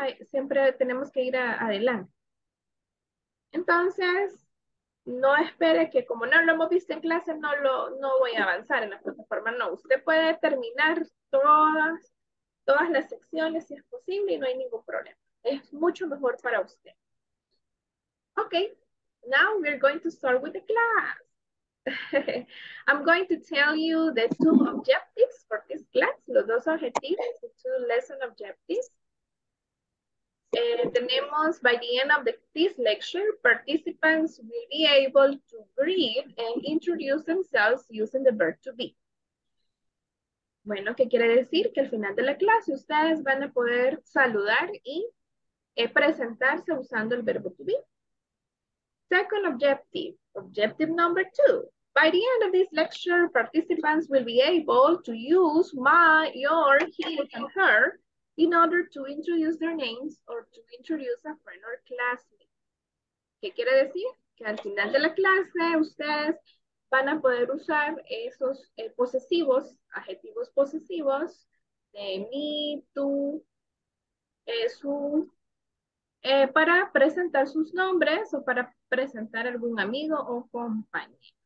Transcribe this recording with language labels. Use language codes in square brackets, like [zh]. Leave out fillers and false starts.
[es] Siempre tenemos que ir adelante. Entonces, no espere que como no lo hemos visto en clase, no voy a avanzar en la plataforma. No, usted puede terminar todas las secciones si es posible y no hay ningún problema. Es mucho mejor para usted. [en] Ok, now we're going to start with the class. I'm going to tell you the two objectives for this class, [es] los dos objetivos, [en] the two lesson objectives. [es] Tenemos, [en] by the end of this lecture, participants will be able to breathe and introduce themselves using the verb to be. [es] Bueno, ¿qué quiere decir? Que al final de la clase ustedes van a poder saludar y presentarse usando el verbo to be. [en] Second objective, objective number two. By the end of this lecture, participants will be able to use his and her in order to introduce their names or to introduce a friend or classmate. [es] ¿Qué quiere decir? Que al final de la clase ustedes van a poder usar esos posesivos, adjetivos posesivos, de mí, tú, su, para presentar sus nombres o para presentar algún amigo o compañero.